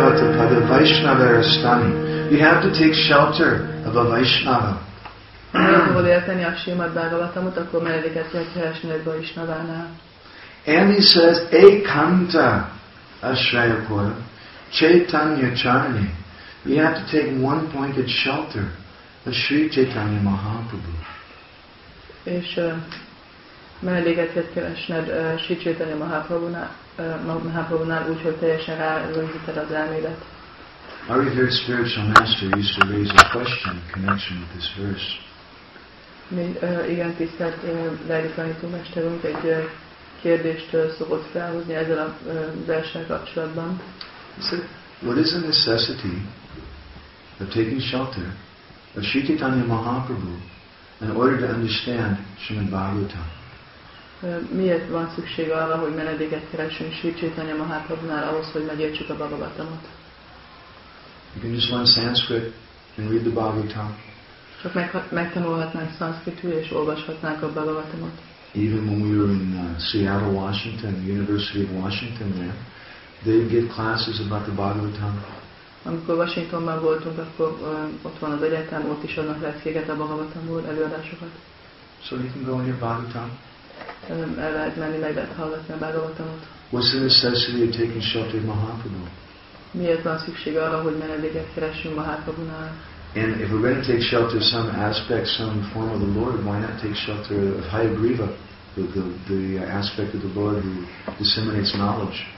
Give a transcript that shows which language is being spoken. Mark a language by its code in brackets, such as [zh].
[en] You have to take shelter of a Vaishnava. [hu] Ha érteni a Srimad Bhagavatamot, akkor meredeket kell keresni egy Vaishnavánál. [en] And he says, [sa] Ekanta Ashrayapura, Chaitanya Charni. [en] You have to take one pointed shelter of Sri Chaitanya Mahaprabhu. [hu] És meredeket keresned Sri Chaitanya Mahaprabhunál, úgyhogy teljesen rárögzíted az elmédet. [en] Our revered spiritual master used to raise a question in connection with this verse. [hu] Igen, tisztelt lelki tanító mesterünk egy kérdést szokott felhozni ezzel a verssel kapcsolatban. [en] What is the necessity of taking shelter of Sri Chaitanya Mahaprabhu in order to understand Srimad Bhagavatam? [hu] Miért van szükség arra, hogy menedéket keressünk Sri Chaitanya Mahaprabhunál ahhoz, hogy megértsük a Bhagavatamot? [en] You can just learn Sanskrit and read the Bhagavatam. [hu] Csak megtanulhatnánk szanszkritul és olvashatnánk a Bhagavatamot. [en] Even when we were in Seattle, Washington, the University of Washington there, they'd give classes about the Bhagavatam. [hu] Amikor Washingtonban voltunk, akkor ott van az egyetem, ott is adnak lehetőséget a Bhagavatamról, előadásokat. [en] So you can go in your Bhagavatam. [hu] El lehet menni, meg lehet hallgatni a Bhagavatamot. [en] What's the necessity of taking shelter of Mahaprabhu? [hu] Miért van szükség arra, hogy menedéket keressünk Mahaprabhunál? [en] And if we're going to take shelter of some aspect, some form of the Lord, why not take shelter of Hayagriva, the aspect of the Lord who disseminates knowledge?